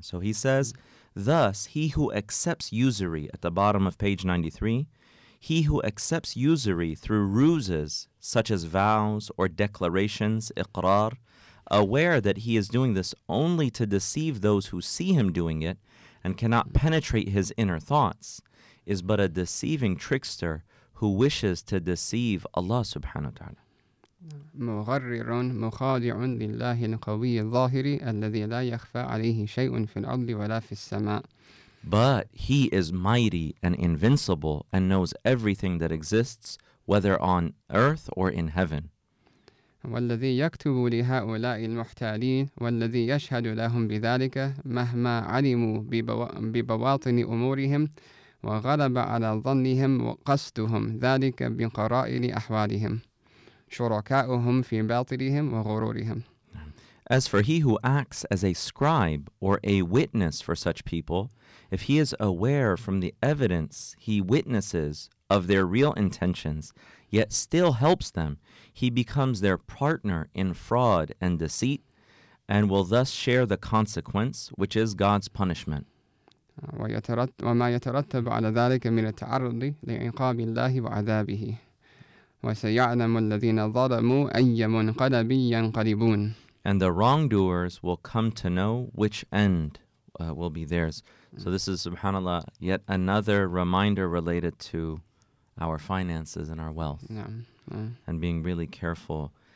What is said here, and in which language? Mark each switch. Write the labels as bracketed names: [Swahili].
[English] So he says, thus, he who accepts usury, at the bottom of page 93, he who accepts usury through ruses, such as vows or declarations, iqrar, aware that he is doing this only to deceive those who see him doing it and cannot penetrate his inner thoughts, is but a deceiving trickster who wishes to deceive Allah subhanahu wa ta'ala. [Arabic] مغرر مخادع لله القوي الظاهر الذي لا يخفى عليه شيء في الأرض ولا في السماء. [English] But he is mighty and invincible and knows everything that exists, whether on earth or in heaven. [Arabic] والذي يكتب لهؤلاء المحتالين والذي يشهد لهم بذلك مهما علموا ببواطن أمورهم وغلب على ظنهم وقصدهم ذلك بقرائن أحوالهم. شركاؤهم في باطلهم وغرورهم. [English] As for he who acts as a scribe or a witness for such people, if he is aware from the evidence he witnesses of their real intentions, yet still helps them, he becomes their partner in fraud and deceit, and will thus share the consequence, which is God's punishment. [Arabic] وما يترتب على ذلك من التعرض لعقاب الله وعذابه. وَسَيَعْلَمُ الَّذِينَ ظَلَمُوا أَيَّ مُنْقَلَبٍ يَنْقَلِبُونَ. [English] And the wrongdoers will come to know which end will be theirs. So this is, subhanAllah, yet another reminder related to our finances and our wealth. Yeah. And being really careful.